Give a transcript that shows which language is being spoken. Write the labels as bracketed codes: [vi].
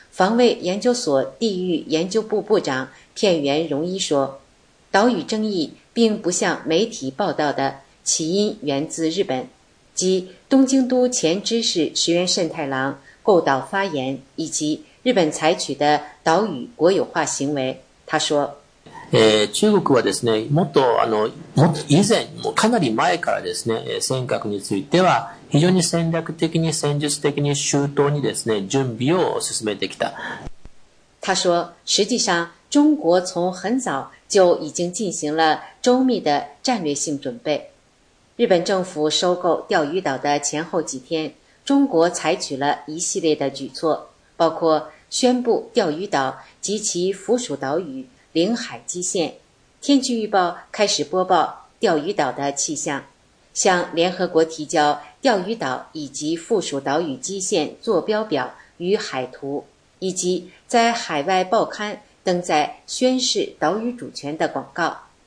[zh] 防卫研究所地域研究部部长片原荣一说，岛屿争议并不像媒体报道的，起因源自日本，即东京都前知事石原慎太郎购岛发言以及日本采取的岛屿国有化行为。他说， [ja] 中国はですね、もっと以前、もかなり前からですね、尖閣については非常に戦略的に戦術的に周到にですね、準備を進めてきた。 [zh] 他说，实际上中国从很早就已经进行了周密的战略性准备。日本政府收购钓鱼岛的前后几天，中国采取了一系列的举措，包括宣布钓鱼岛及其附属岛屿领海基线，天气预报开始播报钓鱼岛的气象，向联合国提交钓鱼岛以及附属岛屿基线坐标表与海图，以及在海外报刊登载宣示岛屿主权的广告。